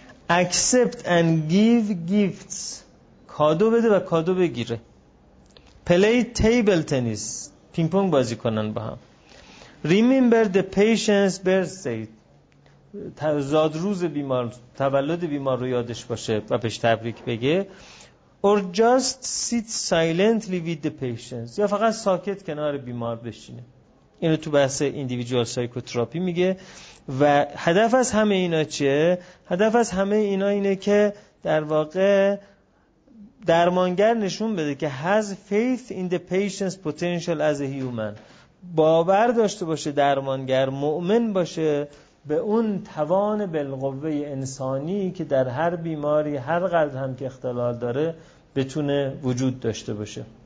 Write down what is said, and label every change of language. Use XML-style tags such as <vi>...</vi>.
<en>Accept and give gifts،</en> <fa>کادو بده و کادو بگیره.</fa> <en>Play table tennis،</en> <fa>پینگ پونگ بازی کنن با هم.</fa> <en>Remember the patient's birthday،</en> <fa>زاد روز بیمار، تولد بیمار رو یادش باشه و بهش تبریک بگه.</fa> <en>Or just sit silently with the patients،</en> <fa>یا فقط ساکت کنار بیمار بشینه. اینو تو بحث</fa> <en>individual psychotherapy</en> <fa>میگه. و هدف از همه اینا چیه؟ هدف از همه اینا اینه که در واقع درمانگر نشون بده که</fa> <en>has faith in the patient's potential as a human،</en> <fa>باور داشته باشه درمانگر، مؤمن باشه به اون توان بالقوه انسانی که در هر بیماری، هر قدر هم که اختلال داره، بتونه وجود داشته باشه.</fa>